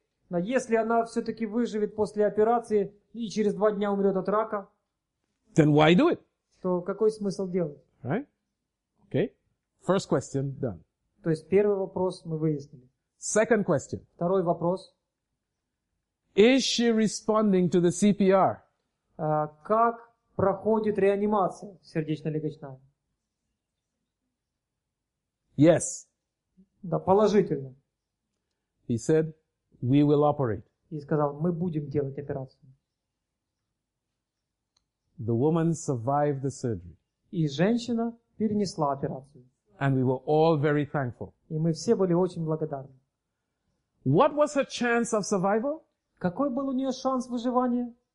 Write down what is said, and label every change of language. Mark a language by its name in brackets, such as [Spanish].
[Russian] Но если она все-таки выживет после операции и через 2 дня умрет от рака, [English] then why do it? [Russian] То какой смысл делать? [English] Right? Okay. First question done. [Russian] То есть первый вопрос мы выяснили. [English] Second question. [Russian] Второй вопрос. [English] Is she responding to the CPR? [Russian] Как проходит реанимация сердечно-легочная? [English] Yes. [Russian] Да, положительно. [English] He said, we will operate. [Russian] И сказал, мы будем делать операцию. [English] The woman survived the surgery. [Russian] И женщина перенесла операцию. [English] And we were all very thankful. [Russian] И мы все были очень благодарны. [English] What was her chance of survival? [Russian] Какой был у нее шанс выживания?